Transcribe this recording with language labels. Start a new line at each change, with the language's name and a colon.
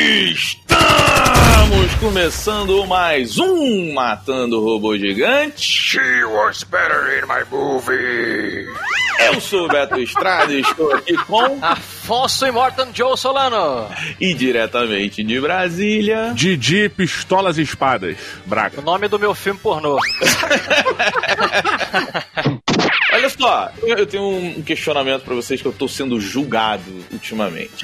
Portuguese: Estamos começando mais um Matando o Robô Gigante!
English: She was better in my movie!
Portuguese: Eu sou o Beto Estrada e estou aqui com... Afonso Immortan Joe Solano! E diretamente de Brasília... Didi Pistolas e Espadas, Braga. O nome do meu filme pornô. Olha só, eu tenho um questionamento pra vocês, que eu tô sendo julgado ultimamente.